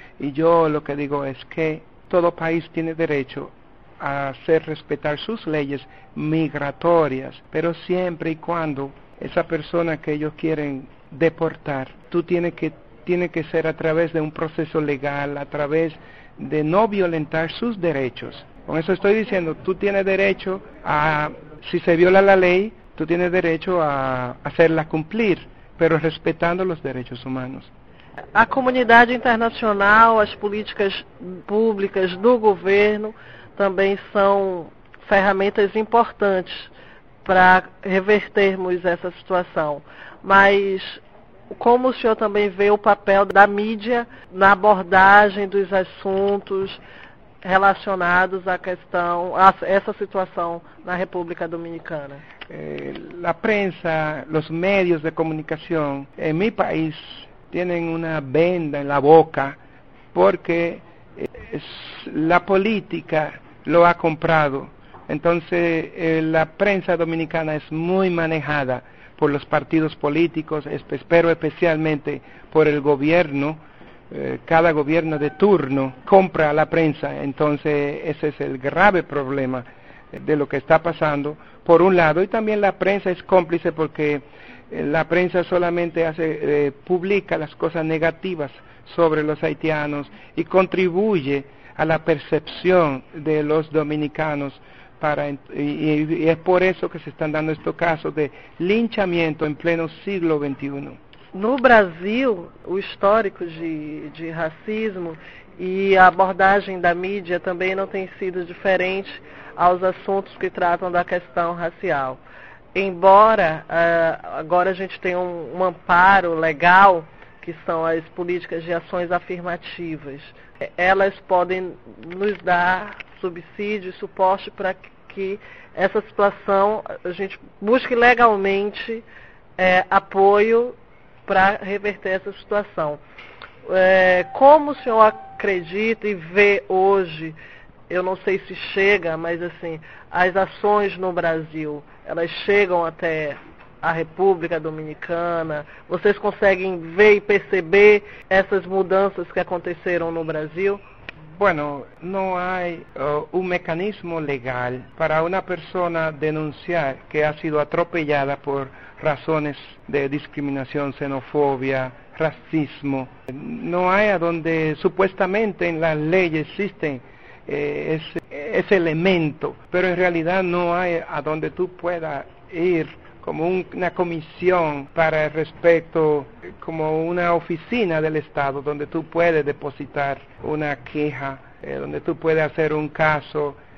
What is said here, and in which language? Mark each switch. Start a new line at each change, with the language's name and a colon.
Spanish: Y yo lo que digo es que todo país tiene derecho a hacer respetar sus leyes migratorias, pero siempre y cuando esa persona que ellos quieren deportar, tú tienes que ser a través de un proceso legal, a través de no violentar sus derechos. Con eso estoy diciendo, tú tienes derecho a, si se viola la ley, tú tienes derecho a hacerla cumplir, pero respetando los derechos humanos.
Portuguese: A comunidade internacional, as políticas públicas do governo também são ferramentas importantes para revertermos essa situação. Mas como o senhor também vê o papel da mídia na abordagem dos assuntos relacionados à questão, a essa situação na República Dominicana?
Spanish: La prensa, los medios de comunicación en mi país tienen una venda en la boca porque la política lo ha comprado. Entonces, la prensa dominicana es muy manejada por los partidos políticos, pero especialmente por el gobierno. Cada gobierno de turno compra a la prensa. Entonces, ese es el grave problema de lo que está pasando, por un lado, y también la prensa es cómplice porque la prensa solamente hace publica las cosas negativas sobre los haitianos y contribuye a la percepción de los dominicanos y es por eso que se están dando estos casos de linchamiento en pleno siglo XXI.
Portuguese: No Brasil, o histórico de racismo e a abordagem da mídia também não tem sido diferente aos assuntos que tratam da questão racial. Embora agora a gente tenha um amparo legal, que são as políticas de ações afirmativas, elas podem nos dar subsídio e suporte para que essa situação, a gente busque legalmente apoio para reverter essa situação. Como o senhor acredita e vê hoje, eu não sei se chega, mas assim, as ações no Brasil, elas chegam até a República Dominicana? Vocês conseguem ver e perceber essas mudanças que aconteceram no Brasil?
Spanish: Bueno, no hay un mecanismo legal para una persona denunciar que ha sido atropellada por razones de discriminación, xenofobia, racismo. No hay a donde supuestamente en las leyes existe ese elemento, pero en realidad no hay a donde tú puedas ir como una comisión para el respeto, como una oficina del Estado donde tú puedes depositar una queja, donde tú puedes hacer un caso.